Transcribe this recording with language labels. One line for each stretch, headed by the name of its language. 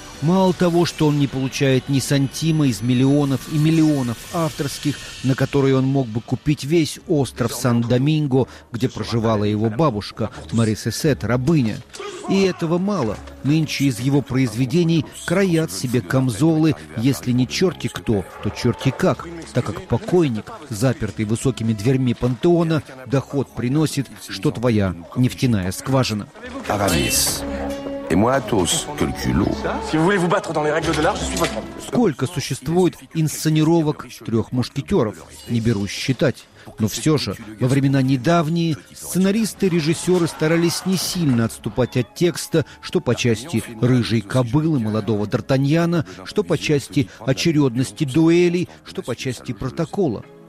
Russian: мало того, что он не получает ни сантима из миллионов и миллионов авторских, на которые он мог бы купить весь остров Сан-Доминго, где проживала его бабушка, Мари Сесет, рабыня. И этого мало. Нынче из его произведений кроят себе камзолы, если не черти кто, то черти как, так как покойник, запертый высокими дверьми пантеона, доход приносит, что твоя нефтяная скважина. Арамис.
French: Et moi, tous, quelques loups. Si vous voulez vous battre dans les règles de l'art, je suis votre homme.
Russian: Сколько существует инсценировок трех мушкетеров? Не берусь считать. Но все же, во времена недавние, сценаристы и режиссеры старались не сильно отступать от текста, что по части рыжей кобылы молодого Д'Артаньяна, что по части очередности дуэлей, что по части протокола.